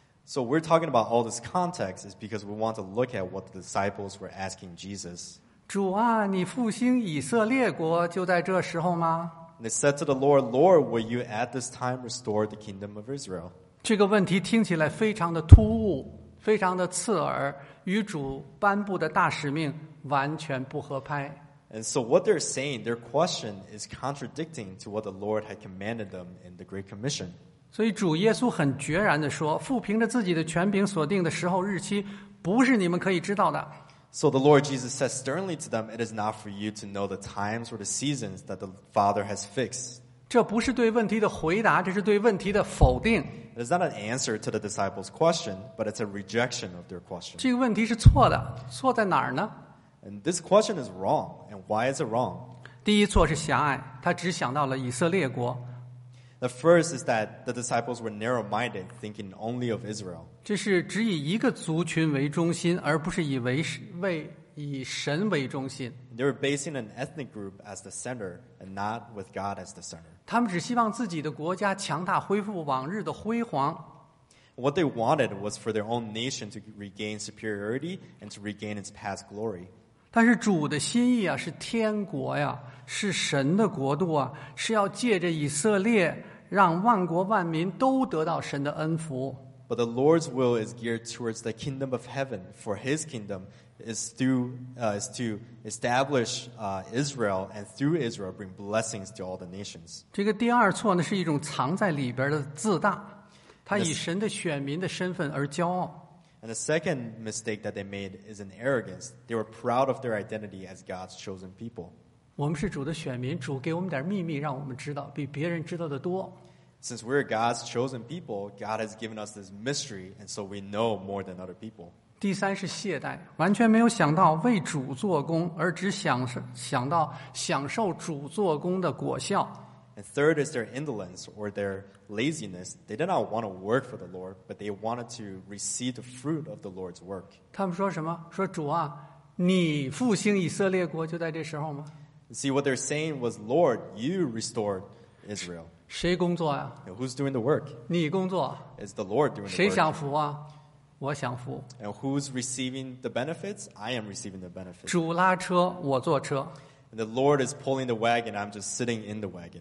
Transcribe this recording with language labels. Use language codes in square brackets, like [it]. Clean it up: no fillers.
[en] So we're talking about all this context is because we want to look at what the disciples were asking Jesus. [zh] 主啊，你复兴以色列国就在这时候吗？ [en] And they said to the Lord, "Lord, will you at this time restore the kingdom of Israel?" [zh] 这个问题听起来非常的突兀，非常的刺耳，与主颁布的大使命完全不合拍。 [en] And so what they're saying, their question is contradicting to what the Lord had commanded them in the Great Commission. [zh] 所以主耶稣很决然地说，父凭着自己的权柄所定的时候日期不是你们可以知道的。 [en] So the Lord Jesus said sternly to them, "It is not for you to know the times or the seasons that the Father has fixed." [zh] 这不是对问题的回答，这是对问题的否定。 [en] It is not an answer to the disciples' question, but it's a rejection of their question. [zh] 这个问题是错的，错在哪儿呢？ [en] And this question is wrong, and why is it wrong? [zh] 第一错是狭隘，他只想到了以色列国。 [en] The first is that the disciples were narrow-minded, thinking only of Israel. [zh] 这是只以一个族群为中心，而不是以神为中心。 [en] They were basing an ethnic group as the center, and not with God as the center. [zh] 他们只希望自己的国家强大，恢复往日的辉煌。 [en] What they wanted was for their own nation to regain superiority and to regain its past glory. [zh] 但是主的心意啊，是天国呀。是神的国度啊，是要借着以色列让万国万民都得到神的恩福。 [en] But the Lord's will is geared towards the kingdom of heaven, for his kingdom is to establish Israel and through Israel bring blessings to all the nations. [zh] 这个第二错呢，是一种藏在里边的自大，他以神的选民的身份而骄傲。 [en] And the second mistake that they made is an arrogance. They were proud of their identity as God's chosen people. [zh] 我们是主的选民，主给我们点秘密，让我们知道，比别人知道的多。 [en] Since we're God's chosen people, God has given us this mystery, and so we know more than other people. [zh] 第三是懈怠，完全没有想到为主做工，而只想到享受主做工的果效。 [en] And third is their indolence or their laziness. They did not want to work for the Lord, but they wanted to receive the fruit of the Lord's work. [zh] 他们说什么？说主啊，你复兴以色列国就在这时候吗？ [en] See, what they're saying was, "Lord, you restored Israel." [zh] 谁工作啊？ [en] And who's doing the work? [zh] 你工作。 [en] It's the Lord doing the work. [zh] 谁享福啊？我享福。 [en] And who's receiving the benefits? I am receiving the benefits. [zh] 主拉车，我坐车。 [en] And the Lord is pulling the wagon, I'm just sitting in the wagon.